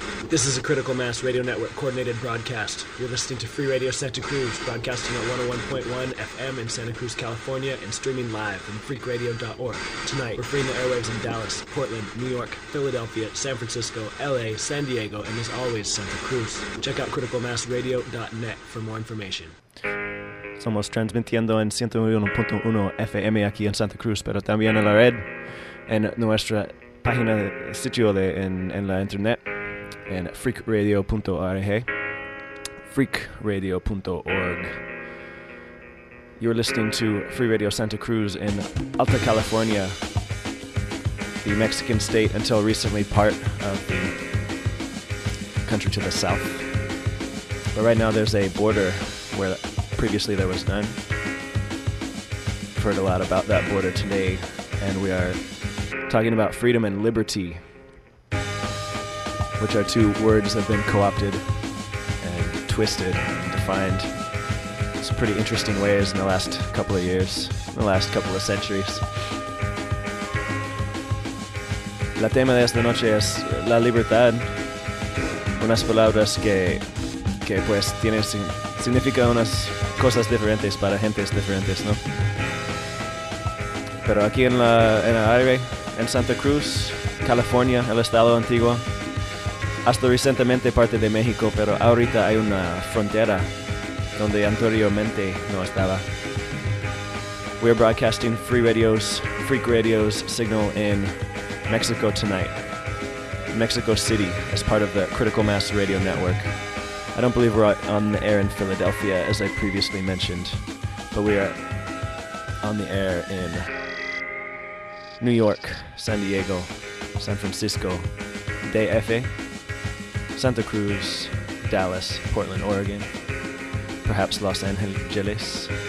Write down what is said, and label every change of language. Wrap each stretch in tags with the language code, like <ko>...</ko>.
<en>This is a Critical Mass Radio Network coordinated broadcast. You're listening to Free Radio Santa Cruz, broadcasting at 101.1 FM in Santa Cruz, California, and streaming live from freakradio.org. Tonight, we're freeing the airwaves in Dallas, Portland, New York, Philadelphia, San Francisco, LA, San Diego, and as always, Santa Cruz. Check out criticalmassradio.net for more information.</en> <es>Somos transmitiendo en 101.1 FM aquí en Santa Cruz, pero también en la red, en nuestra página de sitio de en la internet, en freakradio.org, freakradio.org.</es> <en>You're listening to Free Radio Santa Cruz in Alta California, the Mexican state until recently part of the country to the south. But right now there's a border where previously there was none. I've heard a lot about that border today, and we are talking about freedom and liberty, which are two words that have been co-opted and twisted and defined in some pretty interesting ways in the last couple of years, in the last couple of centuries.</en> <es>La tema de esta noche es la libertad. Unas palabras que pues tienen significa unas cosas diferentes para gentes diferentes, ¿no? Pero aquí en el aire, en Santa Cruz, California, el estado antiguo, hasta recientemente parte de México, pero ahorita hay una frontera donde anteriormente no estaba.</es> <en>We're broadcasting Free Radio's, Freak Radio's signal in Mexico tonight. Mexico City as part of the Critical Mass Radio Network. I don't believe we're on the air in Philadelphia, as I previously mentioned, but we are on the air in New York, San Diego, San Francisco, DF, Santa Cruz, Dallas, Portland, Oregon, perhaps Los Angeles.</en>